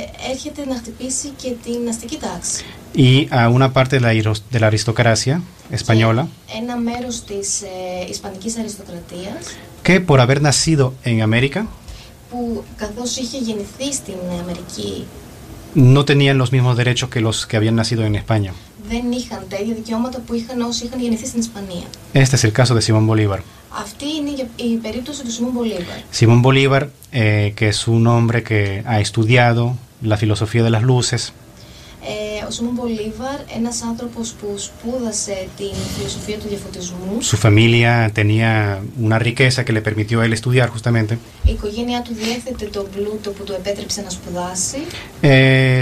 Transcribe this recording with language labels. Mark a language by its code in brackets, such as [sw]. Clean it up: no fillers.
[el] Έρχεται να χτυπήσει και την αστική τάξη. [es] Y a una parte de la aristocracia española. [el] Ένα μέρος της ισπανικής αριστοκρατίας. [es] Que por haber nacido en América. [el] Που καθώς είχε γεννηθεί στην Αμερική. [es] No tenían los mismos derechos que los que habían nacido en España. [el] Δεν είχαν τα ίδια δικαιώματα που είχαν όσοι είχαν γεννηθεί στην Ισπανία. [es] Este es el caso de Simón Bolívar. [el] Αυτή είναι η περίπτωση του Σιμών Μπολίβαρ. [es] Σιμών Μπολίβαρ, que es un hombre que ha estudiado la filosofía de las luces. [el] Ο Σιμών Μπολίβαρ, ένας άνθρωπος που σπούδασε την φιλοσοφία του διαφωτισμού. [es] Su familia tenía una riqueza que le permitió él estudiar justamente. [el] Η οικογένειά του διέθετε τον πλούτο που του επέτρεψε να σπουδάσει.